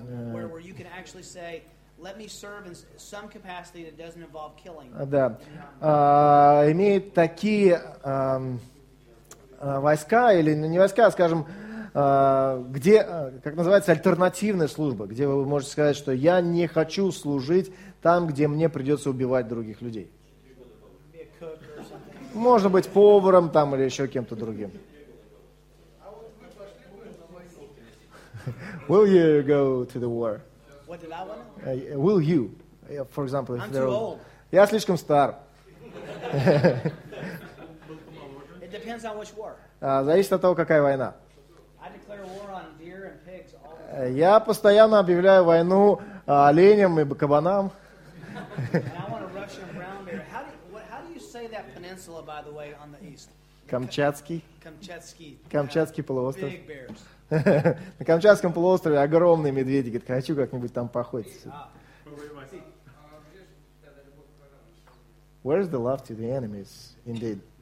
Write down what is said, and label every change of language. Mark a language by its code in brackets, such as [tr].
[en] where you can actually say, let me serve in some capacity that doesn't involve killing. [ru] Да. Имеют такие войска или не войска, а, скажем, где, как называется, альтернативная служба, где вы можете сказать, что я не хочу служить там, где мне придется убивать других людей. Можно быть поваром там или еще кем-то другим. [en] Will you go to the war? What did I want? Will you? For example, if I'm too old. [ru] Я слишком стар. [en] It depends on which war. [ru] Зависит от того, какая война. [en] I declare war on deer and pigs all the time. [ru] Я постоянно объявляю войну оленям и кабанам. [en] And I want a Russian brown bear. How do you say that peninsula, by the way, on the east? [ru] Камчатский полуостров. На Камчатском полуострове огромные медведи. Говорит, хочу как-нибудь там походить. [en] Where is the love to the enemies, indeed?